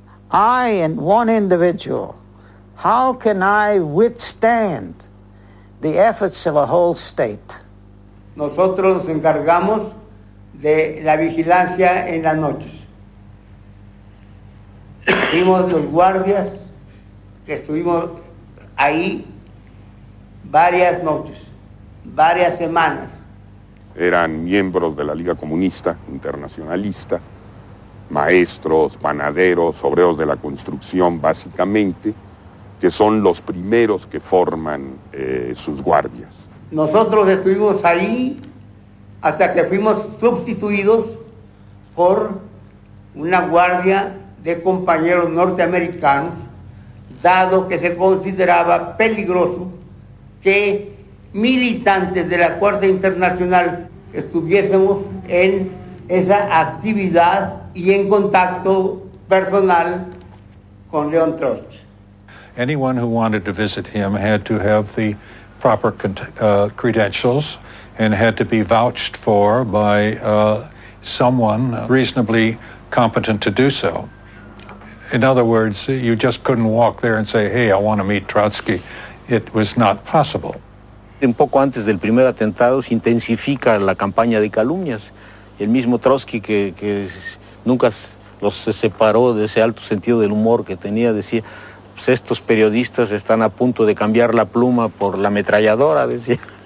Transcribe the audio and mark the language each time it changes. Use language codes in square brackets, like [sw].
[en] I and one individual, how can I withstand the efforts of a whole state? [es] Nosotros nos encargamos de la vigilancia en las noches. Fuimos los guardias que estuvimos ahí varias noches, varias semanas. Eran miembros de la Liga Comunista Internacionalista, maestros, panaderos, obreros de la construcción, básicamente, que son los primeros que forman sus guardias. Nosotros estuvimos ahí hasta que fuimos sustituidos por una guardia de compañeros norteamericanos, dado que se consideraba peligroso que militantes de la Cuarta Internacional estuviésemos en esa actividad y en contacto personal con León Trotsky. [en] Anyone who wanted to visit him had to have the proper credentials and had to be vouched for by someone reasonably competent to do so. In other words, you just couldn't walk there and say, hey, I want to meet Trotsky. It was not possible. [es] Un poco antes del primer atentado se intensifica la campaña de calumnias. El mismo Trotsky, que nunca los separó de ese alto sentido del humor que tenía, decía, pues estos periodistas están a punto de cambiar la pluma por la ametralladora, decía.